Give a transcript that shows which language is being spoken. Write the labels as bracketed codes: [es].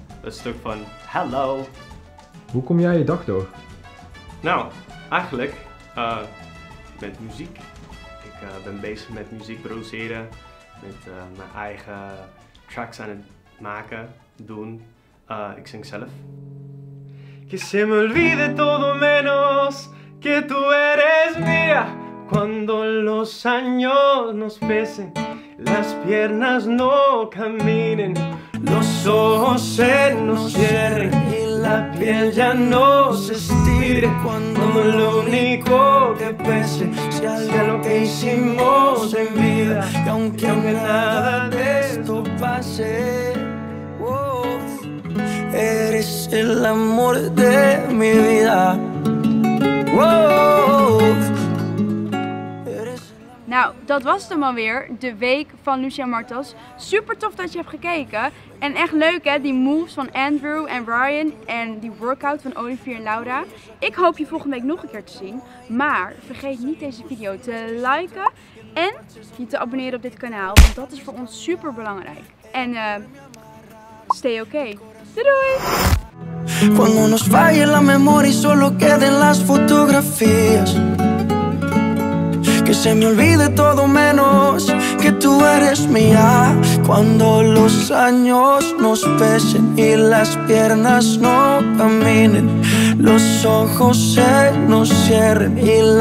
[nl] Dat stuk van Hello! Hoe kom jij je dag door? Nou, eigenlijk met muziek. Ik ben bezig met muziek produceren. Met mijn eigen tracks aan het maken, doen. Ik zing zelf. [es] Que se me olvide todo menos que tú eres mía. Cuando los años nos pesen, las piernas no caminen, los ojos se nos cierren y la piel ya no se estire. Cuando lo único que pese sea lo que hicimos en vida, y aunque nada de esto pase, oh, eres el amor de mi vida. [nl] Nou, dat was het dan maar weer, de week van Lucia Martels. Super tof dat je hebt gekeken. En echt leuk hè, die moves van Andrew en Ryan en die workout van Olivier en Laura. Ik hoop je volgende week nog een keer te zien. Maar vergeet niet deze video te liken en je te abonneren op dit kanaal. Want dat is voor ons super belangrijk. En [en] stay okay. [nl] Doei doei! [es] Cuando nos falle la memoria y solo queden las fotografías. Que se me olvide todo menos que tú eres mía. Cuando los años nos pesen y las piernas no caminen, los ojos se nos cierren y la